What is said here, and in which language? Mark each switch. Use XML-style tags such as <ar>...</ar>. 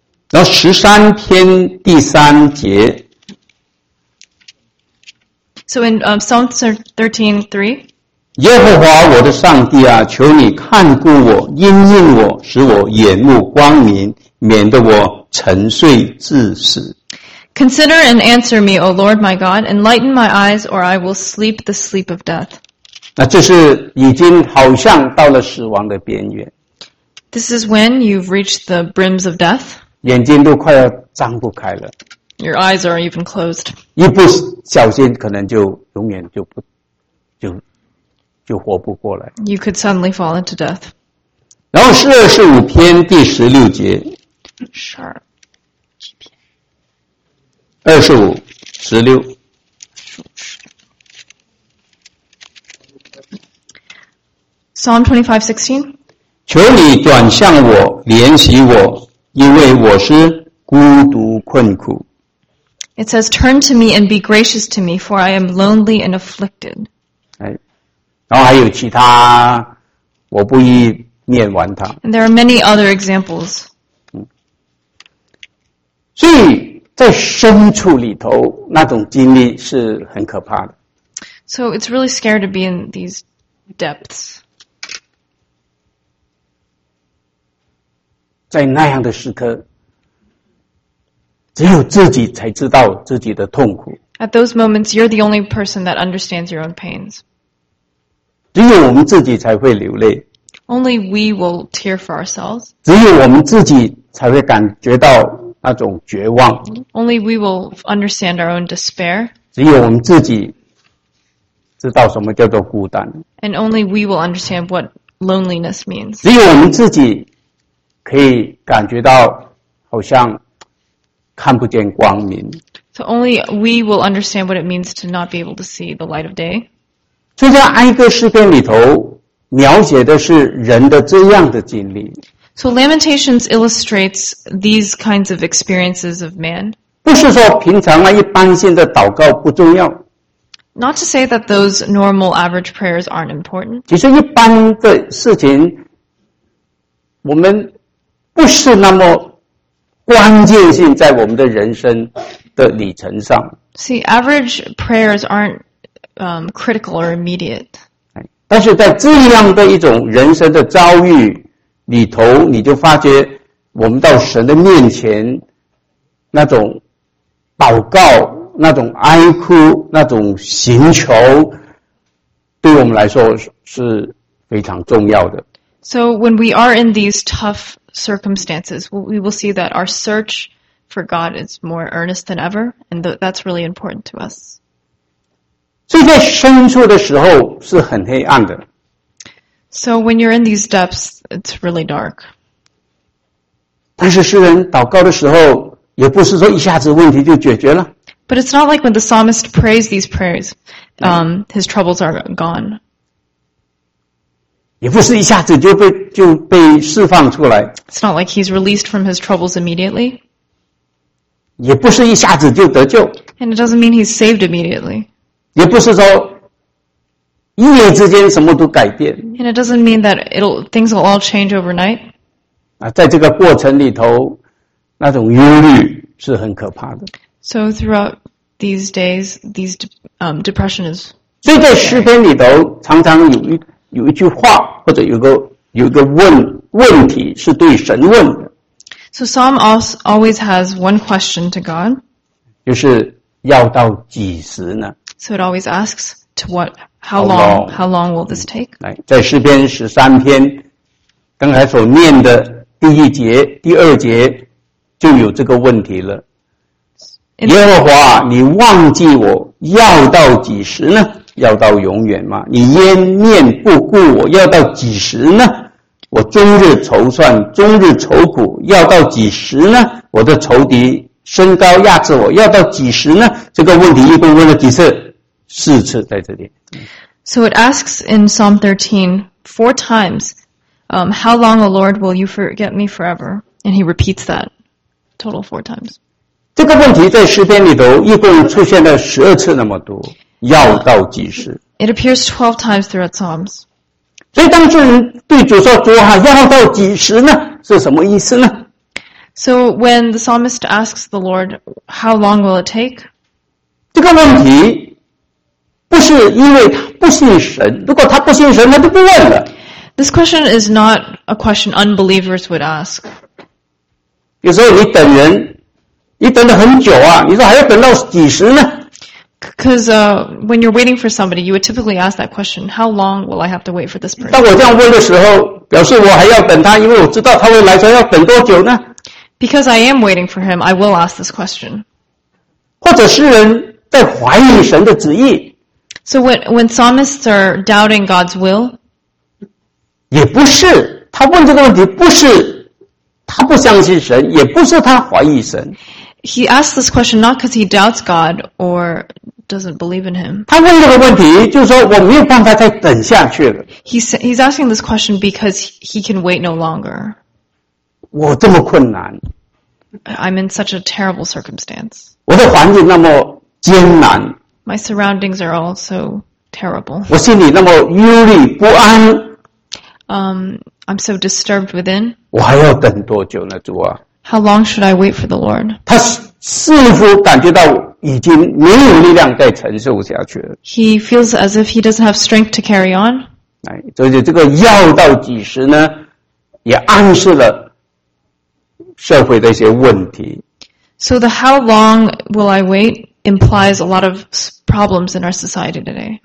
<zh>然后十三篇第三节。</zh> <en>So in Psalm 13:3.</en> <zh>耶和华我的上帝啊，求你看顾我，应应我，使我眼目光明，免得我沉睡致死。</zh> <en>Consider and answer me, O Lord my God, enlighten my eyes, or I will sleep the sleep of death.</en> <zh>那就是已经好像到了死亡的边缘。</zh> <en>This is when you've reached the brims of death.</en> <zh>眼睛都快要张不开了。</zh> <en>Your eyes are even closed.</en> <zh>一不小心可能就永远就不就活不过来。</zh> <en>You could suddenly fall into death.</en> <zh>然后45篇第16节。 25, 16。</zh> <en>Psalm 25:16.</en> <zh>求你转向我，怜惜我，因为我是孤独困苦。</zh> <en>It says, "Turn to me and be gracious to me, for I am lonely and afflicted."</en> <zh>然后还有其他，我不一念完它。</zh> <en>And there are many other examples.</en> <zh>所以在深处里头，那种经历是很可怕的。</zh> <en>So it's really scary to be in these depths.</en> <zh>在那样的时刻，只有自己才知道自己的痛苦。</zh> <en>At those moments, you're the only person that understands your own pains.</en> <zh>只有我们自己才会流泪。</zh> <en>Only we will tear for ourselves.</en> <zh>只有我们自己才会感觉到那种绝望。</zh> <en>Only we will understand our own despair.</en> <zh>只有我们自己知道什么叫做孤单。</zh> <en>And only we will understand what loneliness means.</en> <zh>只有我们自己可以感觉到好像看不见光明。</zh> <en>So only we will understand what it means to not be able to see the light of day.</en> <zh>就像哀歌诗篇里头描写的是人的这样的经历。</zh> <en>So Lamentations illustrates these kinds of experiences of man.</en> <zh>不是说平常啊一般性的祷告不重要。</zh> <en>Not to say that those normal average prayers aren't important.</en> <zh>其实一般的事情我们不是那么关键性在我们的人生的里程上。</zh> <en>See, average prayers aren't, critical or immediate.</en> <zh>但是在这样的一种人生的遭遇里头，你就发觉我们到神的面前那种祷告，那种哀哭，那种寻求，对我们来说是非常重要的。</zh> <en>So when we are in these tough circumstances, we will see that our search for God is more earnest than ever, and that's really important to us.</en> <zh>所以在深处的时候是很黑暗的。</zh> <en>So when you're in these depths, it's really dark.</en> <zh>但是诗人祷告的时候，也不是说一下子问题就解决了。</zh> <en>But it's not like when the psalmist prays these prayers, his troubles are gone.</en> <zh>也不是一下子就被释放出来。</zh> <en>It's not like he's released from his troubles immediately.</en> <zh>也不是一下子就得救。</zh> <en>And it doesn't mean he's saved immediately.</en> <zh>也不是说一夜之间什么都改变。</zh> <en>And it doesn't mean that things will all change overnight.</en> <zh>在这个过程里头，那种忧虑是很可怕的。</zh> <en>So throughout these days, these depression is.</en> <zh>所以在诗篇里头常常有一句话，或者有一个问题是对神问的。</zh> <en>So Psalm always has one question to God.</en> <zh>就是要到几时呢？</zh> <en>So it always asks to what. How long will this take?</en> <zh>来，在诗篇十三篇，刚才所念的第一节、第二节就有这个问题了。耶和华，你忘记我，要到几时呢？要到永远吗？你焉念不顾我，要到几时呢？我终日愁算，终日愁苦，要到几时呢？我的仇敌身高压制我，要到几时呢？这个问题一共问了几次？四次在这里。</zh> <en>So it asks in Psalm 13 four times, "How long, O Lord, will you forget me forever?" And he repeats that total four times.</en> <zh>这个问题在诗篇里头一共出现了十二次那么多。要到几时？</zh> <en>It appears 12 times throughout Psalms.</en> <zh>所以当事人对主说：“主啊，要到几时呢？” 是什么意思呢？</zh> <en>So when the psalmist asks the Lord, "How long will it take?"</en> <zh>这个问题不是因为他不信神，如果他不信神，他就不问了。</zh> <en>This question is not a question unbelievers would ask.</en> <zh>有时候你等人，你等了很久啊，你说还要等到几时呢？</zh> <en>Because when you're waiting for somebody, you would typically ask that question, "How long will I have to wait for this person?"</en> <zh>当我这样问的时候，表示我还要等他，因为我知道他会来，说要等多久呢</zh> <en>？Because I am waiting for him, I will ask this question.</en> <zh>或者诗人在怀疑神的旨意。</zh> <en>So when psalmists are doubting God's will,</en> <zh>也不是他问这个问题，不是他不相信神，也不是他怀疑神。</zh> <en>He asks this question not because he doubts God or doesn't believe in him.</en> <zh>他问这个问题就是说我没有办法再等下去了。</zh> <en>He's asking this question because he can wait no longer.</en> <zh>我这么困难。</zh> <en>I'm in such a terrible circumstance.</en> <zh>我的环境那么艰难。</zh> <en>My surroundings are all so terrible.</en> <zh>我心里那么忧虑不安。</zh> <en>I'm so disturbed within.</en> <zh>我还要等多久呢主啊。</zh> <en>How long should I wait for the Lord?</en> <zh>他似乎感觉到已经没有力量再承受下去了。</zh> <en>He feels as if he doesn't have strength to carry on.</en> <zh>所以这个要到几时呢也暗示了社会的一些问题。</zh> <en>So the how long will I wait implies a lot of problems in our society today.</en>